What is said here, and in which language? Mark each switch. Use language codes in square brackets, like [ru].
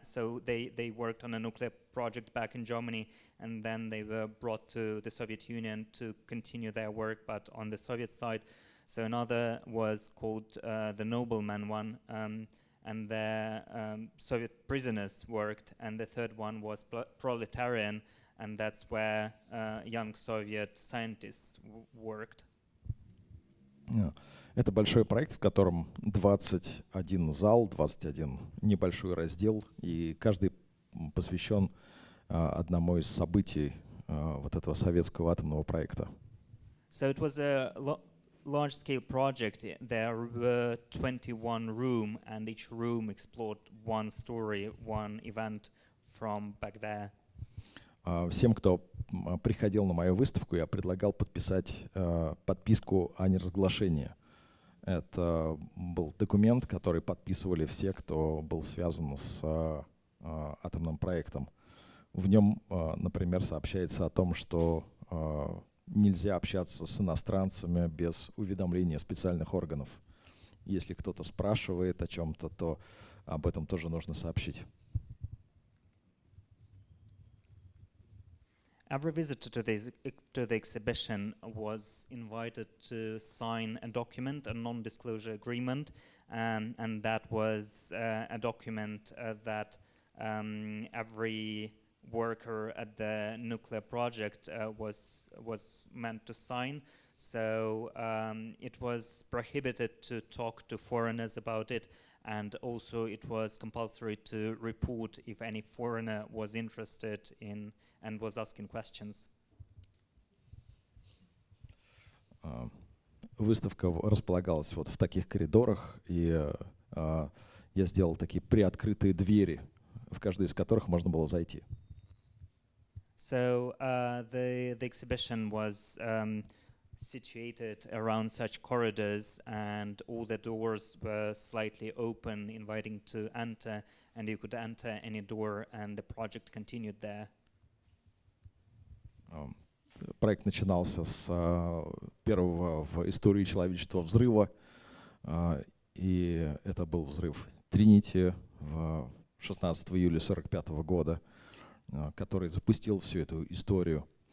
[en] So they worked on a nuclear project back in Germany, and then they were brought to the Soviet Union to continue their work, but on the Soviet side. So another was called the Nobleman one, and there Soviet prisoners worked, and the third one was proletarian, and that's where young Soviet scientists worked. Yeah. [ru] Это большой проект, в котором 21 зал, 21 небольшой раздел, и каждый посвящен одному из событий вот этого советского атомного проекта. [en] So it was a large-scale project. There were 21 rooms, and each room explored one story, one event from back there. [ru] Всем, кто приходил на мою выставку, я предлагал подписать подписку о неразглашении. Это был документ, который подписывали все, кто был связан с атомным проектом. В нем, например, сообщается о том, что нельзя общаться с иностранцами без уведомления специальных органов. Если кто-то спрашивает о чем-то, то об этом тоже нужно сообщить. [en] Every visitor to the exhibition was invited to sign a document, a non-disclosure agreement, and that was a document that every worker at the nuclear project was meant to sign. So it was prohibited to talk to foreigners about it, and also it was compulsory to report if any foreigner was interested in and was asking questions. [ru] Выставка располагалась вот в таких коридорах, и я сделал такие приоткрытые двери, в каждую из которых можно было зайти. [en] So the exhibition was situated around such corridors, and all the doors were slightly open, inviting to enter, and you could enter any door, and the project continued there. [ru] Проект начинался с первого в истории человечества взрыва, и это был взрыв Тринити 16 июля 45 года, который запустил всю эту историю.